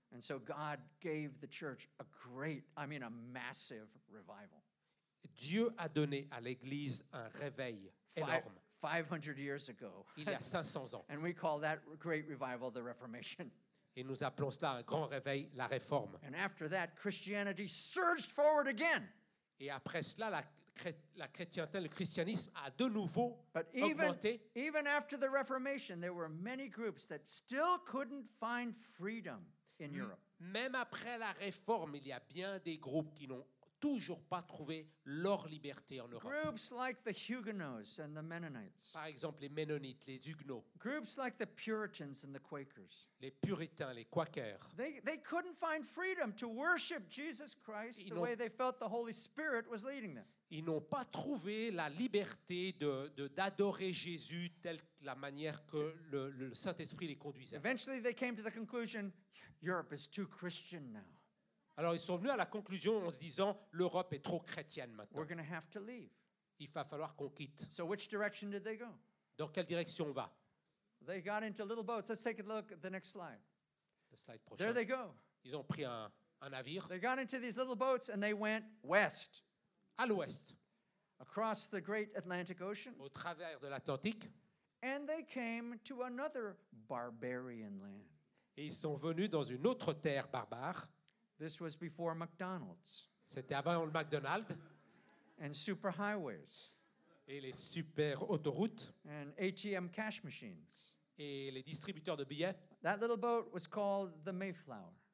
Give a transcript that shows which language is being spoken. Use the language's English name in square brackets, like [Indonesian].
[English] And so God gave the church a great, I mean a massive revival. [French] Dieu a donné à l'Église un réveil énorme. [English] 500 years ago. [French] Il y a 500 ans. [English] And we call that great revival the Reformation. [French] Et nous appelons cela un grand réveil, la réforme. [English] And after that, Christianity surged forward again. [French] Et après cela, la chrétienté, le christianisme a de nouveau augmenté. [English] Even after the Reformation, there were many groups that still couldn't find freedom in Europe. [French] Même après la réforme, il y a bien des groupes qui n'ont toujours pas trouvé leur liberté en Europe. [English] Groups like the Huguenots and the Mennonites. [French] Par exemple, les Mennonites, les Huguenots. [English] Groups like the Puritans and the Quakers. [French] Les Puritains, les Quakers. [English] They couldn't find freedom to worship Jesus Christ the way they felt the Holy Spirit was leading them. [French] Ils n'ont pas trouvé la liberté d'adorer Jésus telle la manière que le Saint-Esprit les conduisait. [English] Eventually, they came to the conclusion, Europe is too Christian now. [French] Alors ils sont venus à la conclusion en se disant l'Europe est trop chrétienne maintenant. [English] We're going to have to leave. [French] Il va falloir qu'on quitte. [English] So which direction did they go? [French] Dans quelle direction on va? [English] They got into little boats. Let's take a look at the next slide. [French] Le slide prochain. [English] There they go. [French] Ils ont pris un navire. [English] They got into these little boats and they went west. [French] À l'ouest. [English] Across the great Atlantic Ocean. [French] Au travers de l'Atlantique. [English] And they came to another barbarian land. [French] Et ils sont venus dans une autre terre barbare. [English] This was before McDonald's. [French] C'était avant le McDonald's. [English] And superhighways. [French] Et les super autoroutes. [English] And ATM cash machines. [French] Et les distributeurs de billets. [English] That little boat was called the Mayflower.